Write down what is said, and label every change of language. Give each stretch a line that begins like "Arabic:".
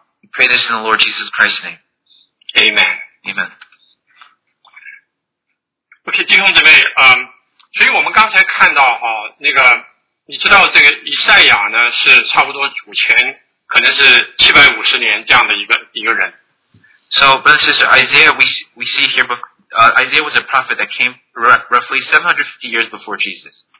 English: We pray this in the Lord Jesus Christ's name. Amen. Amen.
Chinese: Okay, 弟兄姊妹,所以我们刚才看到,你知道这个以赛亚呢,是差不多主前,可能是750年这样的一个人。
English: So, brother and sister, Isaiah, we see here, Isaiah was a prophet that came roughly 750 years before Jesus.